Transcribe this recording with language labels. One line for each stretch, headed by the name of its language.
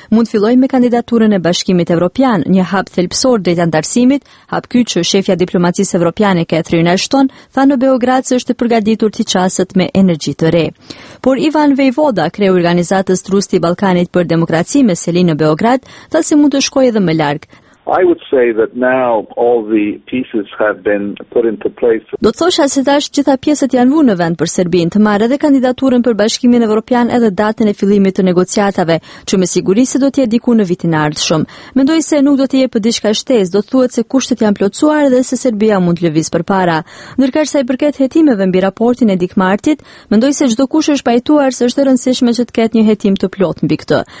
Albanian: Mund fillojë me kandidaturën e Bashkimit Evropian, një hap thelbësor drejt antarësimit, hap ky që shefja diplomacisë evropiane Catherine Ashton tha në Beograd se është përgatitur të qaset me energji të re. Por Ivan Vojvoda, kreu organizatës Trusti i Ballkanit për Demokraci me selin në Beograd, tha se mund të shkojë edhe më larg.
English: I would say that now all the pieces have been put into place.
Albanian: Do të thosha se tash gjitha pjesët janë vënë në vend për Serbinë të marrë edhe kandidaturën për Bashkimin Evropian edhe datën e fillimit të negociatave, që me siguri se do të jetë diku në vitin e ardhshëm. Mendoj se nuk do të jetë diçka shtesë, do të thuhet se kushtet janë plotësuar dhe se Serbia mund të lëvizë përpara. Ndërkaq sa i përket hetimeve mbi raportin e Dick Martit, mendoj se çdo kush është pajtuar se është e rëndësishme që të ketë një hetim të plotë mbi këtë.